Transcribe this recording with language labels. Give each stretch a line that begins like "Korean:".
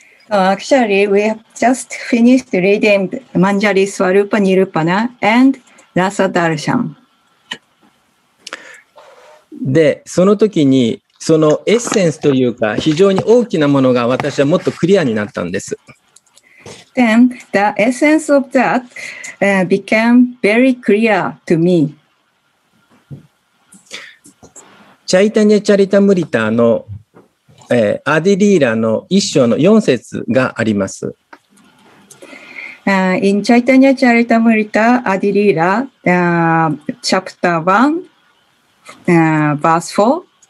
English: Actually, we have just finished reading Manjari Swarupa Nirupana and Rasa Darshan.
Japanese: で、その時にそのエッセンスというか非常に大きなものが私はもっとクリアになったんです。
English: Then the essence of that、became very clear to me.
Japanese: チャイタニャチャリタムリタの、アディリーラの一章の4節があります。
English: In チャイタニャチャリタムリタアディリーラ、chapter 1, verse 4.